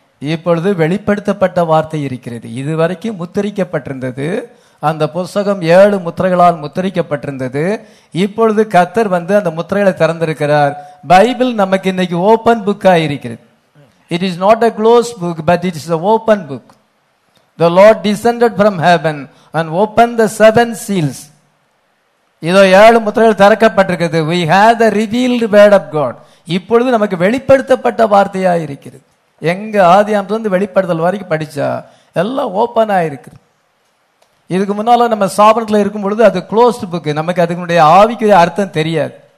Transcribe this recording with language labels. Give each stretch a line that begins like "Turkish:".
Tamil: இப்பொழுது வெளிப்படுத்தப்பட்ட வார்த்தை இருக்கிறது. இது வரைக்கும் முத்திரிக்கப்பட்டிருந்தது, அந்த புஸ்தகம் 7 முத்திரைகளால் முத்திரிக்கப்பட்டிருந்தது. இப்பொழுது கர்த்தர் வந்து அந்த முத்திரைகளை திறந்திருக்கிறார். பைபிள் நமக்கு இன்னைக்கு open book ஆயிருக்கிறது.
English: It is not a close book, but it is a open book. The Lord descended from heaven and opened the 7 seals.
Tamil: இதோ 7 முத்திரைகள் திறக்கப்பட்டிருக்கிறது.
English: We have the revealed word of God.
Tamil: இப்பொழுது நமக்கு வெளிப்படுத்தப்பட்ட வார்த்தையா இருக்கிறது. எங்க ஆதியாமத்துல இருந்து வெளிப்படுதல் வரைக்கும் படிச்சா எல்லாம் ஓபன் ஆயிருக்கு. இதுக்கு முன்னால நம்ம சாபனத்தில் இருக்கும் பொழுது அது க்ளோஸ்ட் புக், நமக்கு அதனுடைய ஆவிக்கு அர்த்தம் தெரியாது.